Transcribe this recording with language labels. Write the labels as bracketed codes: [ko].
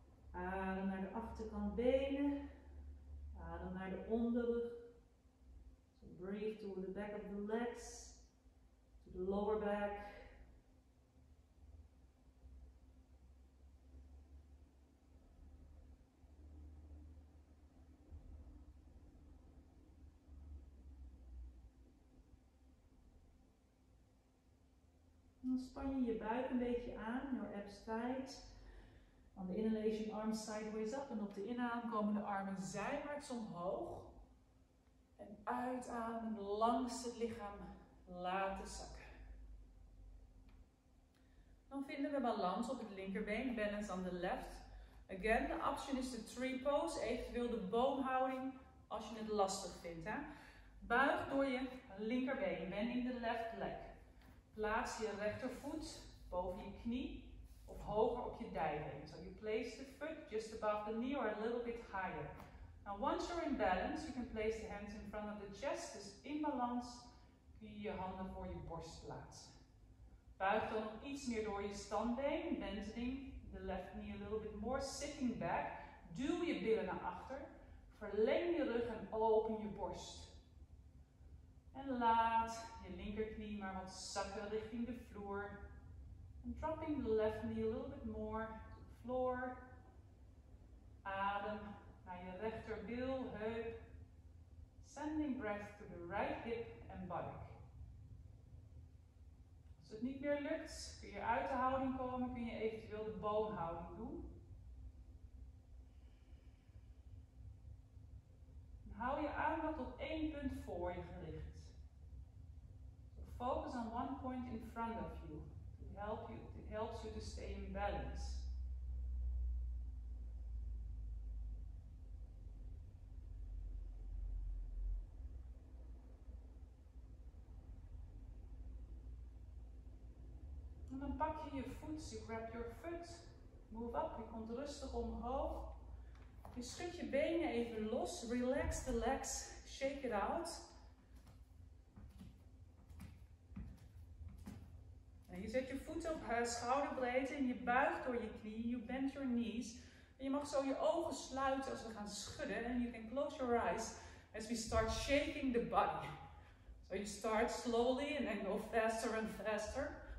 [nl] Adem naar de achterkant benen, adem naar de onderrug. [en] So breathe through the back of the legs, to the lower back. [nl] Span je je buik een beetje aan, [en] your abs tight. On the inhalation, arms sideways up. [nl] En op de inadem komen de armen zijwaarts omhoog. En uitademen langs het lichaam laten zakken. Dan vinden we balans op het linkerbeen, [en] balance on the left. Again, the option is the tree pose, [nl] eventueel de boomhouding als je het lastig vindt. Hè? Buig door je linkerbeen, [en] bending the left leg. [nl] Plaats je rechtervoet boven je knie of hoger op je dij. diving. [en] So you place the foot just above the knee or a little bit higher. Now once you're in balance, you can place the hands in front of the chest. [nl] Dus in balans kun je je handen voor je borst plaatsen. Buig dan nog iets meer door je standbeen, [en] bending the left knee a little bit more, sitting back. [nl] Duw je billen naar achter, verleng je rug en open je borst. En laat je linkerknie maar wat zakken richting de vloer. [en] And dropping the left knee a little bit more to the floor. [nl] Adem naar je rechterbil, heup. [en] Sending breath to the right hip and buttock. [nl] Als het niet meer lukt, kun je uit de houding komen, kun je eventueel de boomhouding doen. Hou je aandacht op één punt voor je gericht. [en] So focus on one point in front of you. It helps you to stay in balance. [nl] En dan pak je je voet, [en] so you grab your foot. Move up, [nl] je komt rustig omhoog. Je schud je benen even los, [en] relax the legs, shake it out. [nl] En je zet je voeten op schouderbreedte en je buigt door je knie, [en] you bend your knees. [nl] En je mag zo je ogen sluiten als we gaan schudden. [en] And you can close your eyes as we start shaking the body. So you start slowly and then go faster and faster.